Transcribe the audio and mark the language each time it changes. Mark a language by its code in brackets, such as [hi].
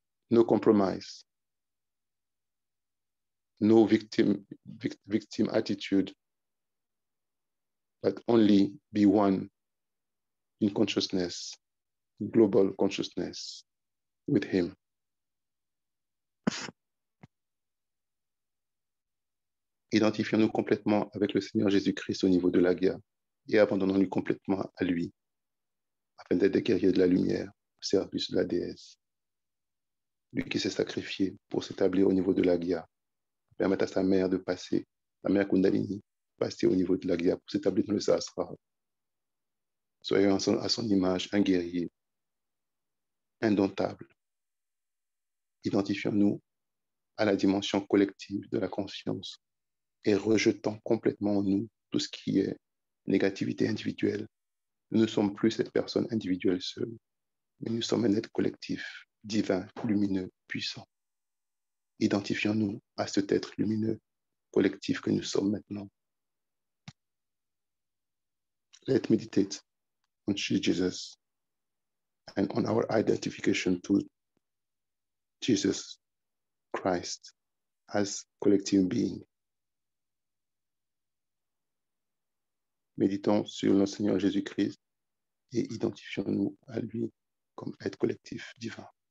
[en] No compromise, no victim attitude, but only be one in consciousness, global consciousness, with him. [fr] Identifions-nous complètement avec le Seigneur Jésus-Christ au niveau de la guerre et abandonnons-nous complètement à lui afin d'être des guerriers de la lumière au service de la déesse. Lui qui s'est sacrifié pour s'établir au niveau de la guerre, permettre à sa mère de passer, sa mère Kundalini, passer au niveau de la guerre pour s'établir dans le Sahasrara. Soyons à son image un guerrier indomptable. Identifions-nous à la dimension collective de la conscience et rejetant complètement en nous tout ce qui est négativité individuelle. Nous ne sommes plus cette personne individuelle seule, mais nous sommes un être collectif, divin, lumineux, puissant. Identifions-nous à cet être lumineux, collectif que nous sommes maintenant. [en] Let's meditate on Jesus and on our identification to Jesus Christ as collective being. [fr] Méditons sur le Seigneur Jésus-Christ et identifions-nous à lui comme être collectif divin.